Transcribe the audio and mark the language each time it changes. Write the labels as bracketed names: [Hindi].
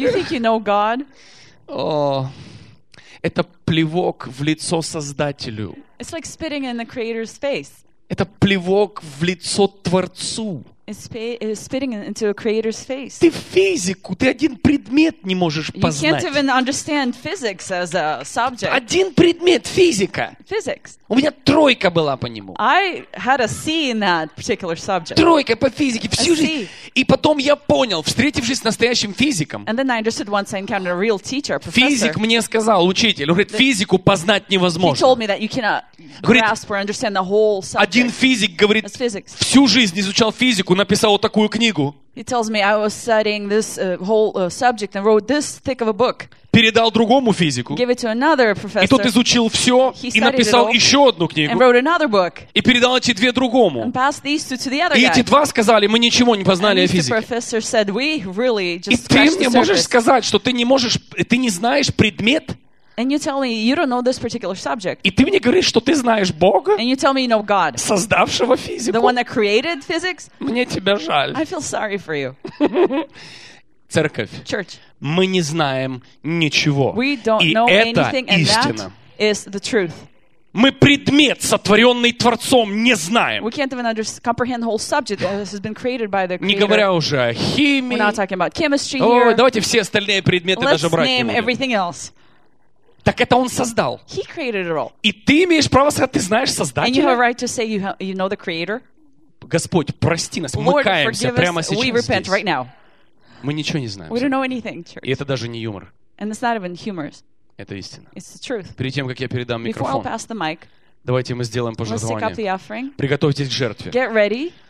[English] You think you know God? [Russian] О, это плевок в лицо Создателю. [English] It's like spitting in the Creator's face. [Russian] Это плевок в лицо Творцу. [English] It's spitting into the Creator's face. [Russian] Ты физику, ты один предмет не можешь познать. [English] You can't even understand physics as a subject. [Russian] Один предмет физика. [English] Physics. [Russian] У меня тройка была по нему. [English] I had a C in that particular subject. [Russian] Тройка по физике всю жизнь. И потом я понял, встретившись с настоящим физиком. [English] And then I understood once I encountered a real teacher, a professor. [Russian] Физик мне сказал, учитель, говорит, физику познать невозможно. [English] He told me that you cannot grasp or understand the whole subject. [Russian] Один физик говорит, всю жизнь изучал физику. Написал вот такую книгу. [English] He tells me I was studying this whole subject and wrote this thick of a book. [Russian] Передал другому физику. [English] Give it to another professor. [Russian] И тот изучил все и написал еще одну книгу. [English] And wrote another book. [Russian] И передал эти две другому. [English] And passed these two to the other guy. [Russian] И эти два сказали, мы ничего не познали о физике. [English] And the professor said we really just scratched the surface. [Russian] И ты мне можешь сказать, что ты не знаешь предмет? [English] And you tell me you don't know this particular subject. [Russian] И ты мне говоришь, что ты знаешь Бога? [English] And you tell me you know God. [Russian] Создавшего физику? [English] The one that created physics? [Russian] Мне тебя жаль. [English] I feel sorry for you. [Russian] Церковь. [English] Church. [Russian] Мы не знаем ничего. [English] We don't know anything, and that is the truth. [Russian] Мы предмет, сотворенный Творцом, не знаем. [English] We can't even comprehend the whole subject. This has been created by the Creator. [Russian] Не говоря уже о химии. [English] We're not talking about chemistry here. [Russian] Ой, давайте все остальные предметы [English] Let's [Russian] даже брать [English] name [Russian] не будем. [English] Everything else. [Russian] Так это Он создал. [English] He created it all. [Russian] И ты имеешь право сказать, ты знаешь Создателя. [English] And you have a right to say you know the Creator. [Russian] Господь, прости нас, мы каемся прямо сейчас здесь. [English] We repent right now. [Russian] Мы ничего не знаем. [English] We don't know anything, church. [Russian] И это даже не юмор. [English] And it's not even humorous. [Russian] Это истина. [English] It's the truth. [Russian] Перед тем, как я передам микрофон, [English] Before I'll pass the mic, [Russian] давайте мы сделаем пожертвование. [English] Let's take up the offering. [Russian] Приготовьтесь к жертве. [English] Get ready.